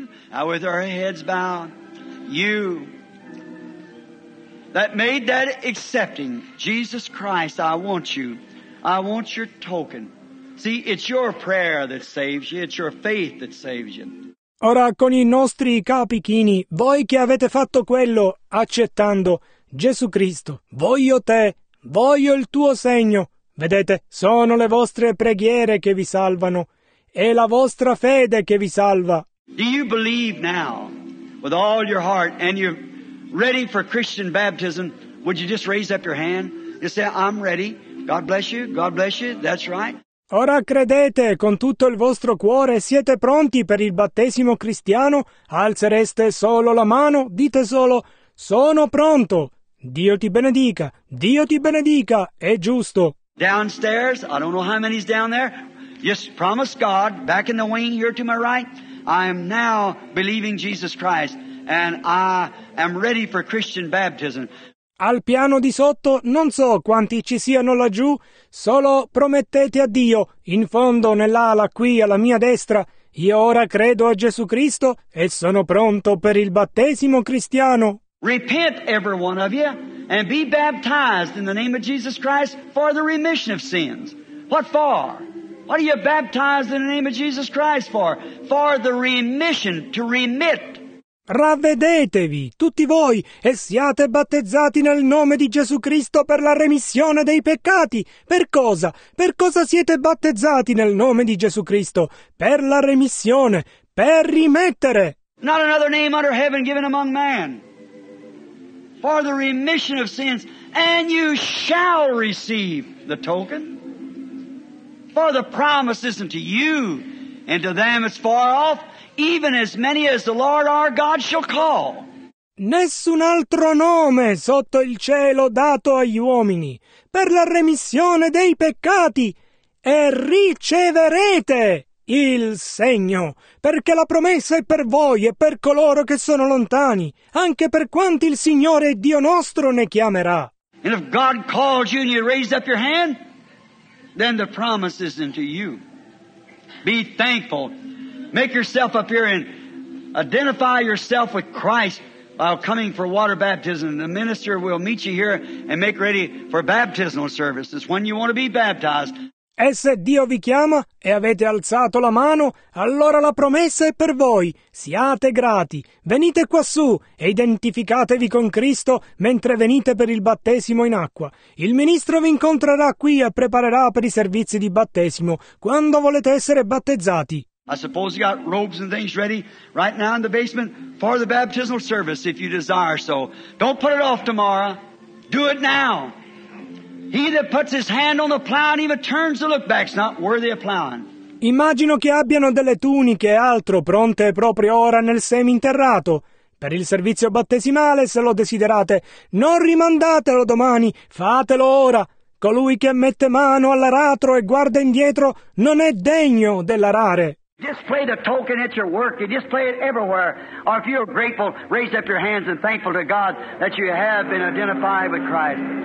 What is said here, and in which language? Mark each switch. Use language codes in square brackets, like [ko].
[en] Now with our heads bowed, you that made that accepting Jesus Christ, I want your token. See, it's your prayer that saves you. It's your faith that saves you. [it] Ora con i nostri capi chini, voi che avete fatto quello accettando Gesù Cristo, voglio te, voglio il tuo segno. Vedete, sono le vostre preghiere che vi salvano. È la vostra fede che vi salva. [en] Do you believe now with all your heart and you're ready for Christian baptism? Would you just raise up your hand? You say, I'm ready. God bless you, God bless you, that's right. [it] Ora credete con tutto il vostro cuore, siete pronti per il battesimo cristiano? Alzereste solo la mano, dite solo, sono pronto. Dio ti benedica, è giusto. [en] Downstairs, I don't know how many's down there. Just promise God, back in the wing here to my right. I am now believing Jesus Christ and I am ready for Christian baptism. [it] Al piano di sotto, non so quanti ci siano laggiù, solo promettete a Dio, in fondo, nell'ala, qui, alla mia destra, io ora credo a Gesù Cristo e sono pronto per il battesimo cristiano. [en] Repent, every one of you, and be baptized in the name of Jesus Christ for the remission of sins. What for? What are you baptized in the name of Jesus Christ for? For the remission, to remit. [it] Ravvedetevi, tutti voi, e siate battezzati nel nome di Gesù Cristo per la remissione dei peccati. Per cosa? Per cosa siete battezzati nel nome di Gesù Cristo? Per la remissione, per rimettere. [en] Not another name under heaven given among man. For the remission of sins, and you shall receive the token. For the promise isn't to you, and to them it's far off, even as many as the Lord our God shall call. [it] Nessun altro nome sotto il cielo dato agli uomini per la remissione dei peccati, e riceverete il segno, perché la promessa è per voi e per coloro che sono lontani, anche per quanti il Signore Dio nostro ne chiamerà. [en] And if God calls you and you raise up your hand, then the promise is unto you. Be thankful. Make yourself up here and identify yourself with Christ while coming for water baptism. The minister will meet you here and make ready for baptismal services when you want to be baptized. [it] E se Dio vi chiama e avete alzato la mano, allora la promessa è per voi. Siate grati. Venite quassù e identificatevi con Cristo mentre venite per il battesimo in acqua. Il ministro vi incontrerà qui e preparerà per i servizi di battesimo quando volete essere battezzati. [en] I suppose you got robes and things ready right now in the basement for the baptismal service if you desire so. Don't put it off tomorrow. Do it now. He that puts his hand on the plow and even turns to look back is not worthy of plowing. [it] Immagino che abbiano delle tuniche e altro pronte proprio ora nel seminterrato. Per il servizio battesimale, se lo desiderate, non rimandatelo domani, fatelo ora. Colui che mette mano all'aratro e guarda indietro non è degno dell'arare. [en] Display the token at your work. You display it everywhere. Or if you're grateful, raise up your hands and thankful to God that you have been identified with Christ.